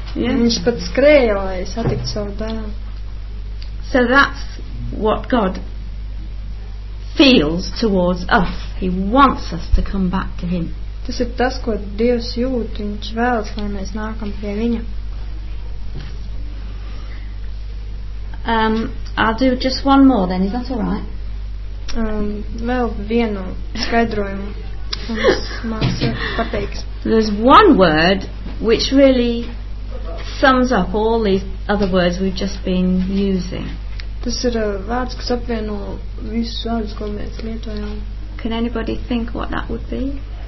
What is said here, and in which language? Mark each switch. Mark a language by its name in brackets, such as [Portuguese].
[Latvian] Viņš pat skrēja, lai satikt savu dēlu. [English] So that's what God feels towards us. He wants us to come back to him. [Latvian] Tas ir tas, ko Dievs jūt. Viņš vēlas, lai mēs nākam pie viņa. [English] I'll do just one more then, is that all right? [Latvian] Vēl vienu skaidrojumu mums pateiks. [English] There's one word which really sums up all these other words we've just been using. [Latvian] Tas ir vārds, kas apvieno visus vārdus, ko mēs lietojam. [English] Can anybody think what that would be?